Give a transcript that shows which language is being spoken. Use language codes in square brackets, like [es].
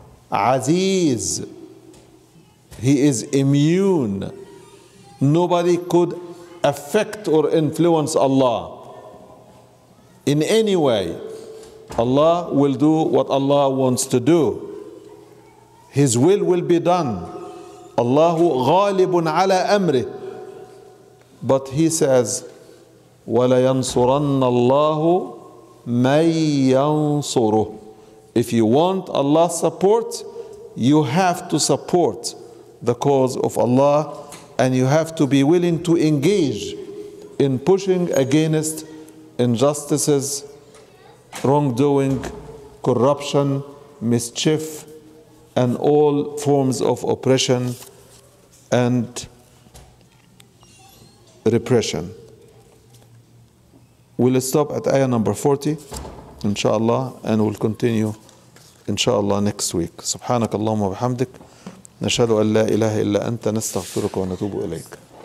[en] عزيز. He is immune. Nobody could affect or influence Allah in any way. Allah will do what Allah wants to do. His will be done. [ar] Allah غالب على أمره. [en] But he says, [ar] وَلَيَنْصُرَنَّ اللَّهُ مَنْ يَنْصُرُهُ. [en] If you want Allah's support, you have to support the cause of Allah, and you have to be willing to engage in pushing against injustices, wrongdoing, corruption, mischief, and all forms of oppression and repression. We'll stop at ayah number 40, inshallah, and we'll continue, inshallah, next week. [ar] Subhanak Allahumma wa bihamdik. نشهد أن لا إله إلا أنت نستغفرك ونتوب إليك.